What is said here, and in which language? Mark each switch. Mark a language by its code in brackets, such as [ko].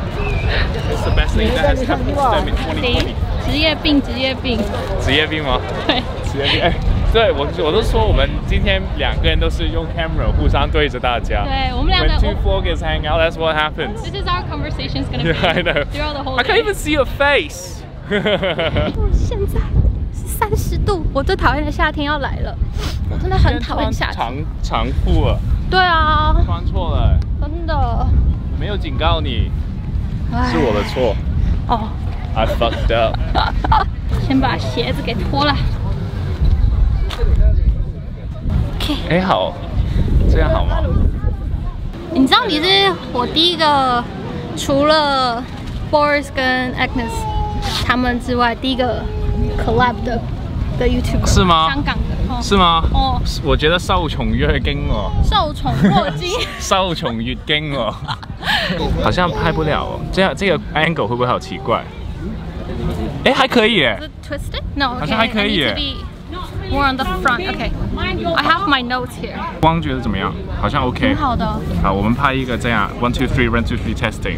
[en] It's the best thing that has happened to them in 2020. [zh] 职业病。职业病吗？对。职业病。对，我都说我们今天两个人都是用 camera 互相对着大家。对，我们两个。 [en] When two focus hang out, that's what happens. This is our conversation is gonna be. Yeah, I know. Throughout the whole day. I can't even see your face. [zh] 现在是30度，我最讨厌的夏天要来了，我真的很讨厌夏天。长裤了。对啊。穿错了。真的。我没有警告你，是我的错。 [en] 哦。I fucked up. [zh] 先把鞋子给脱了。哎，好，这样好吗？你知道你是我第一个除了 Boris 跟 Agnes 他们之外第一个 collab 的 YouTuber 是吗？香港的、哦、是吗？哦，我觉得受宠若惊哦，受宠若惊，受宠若惊哦，好像拍不了哦，这个 angle 会不会好奇怪？哎，还可以耶 [en] ，twisted no， okay, [zh] 好像还可以耶。 [en] We're on the front, okay. I have my notes here. [zh] 光觉得怎么样？好像 OK。挺好的。好，我们拍一个这样 ， [en] one two three, one two three testing。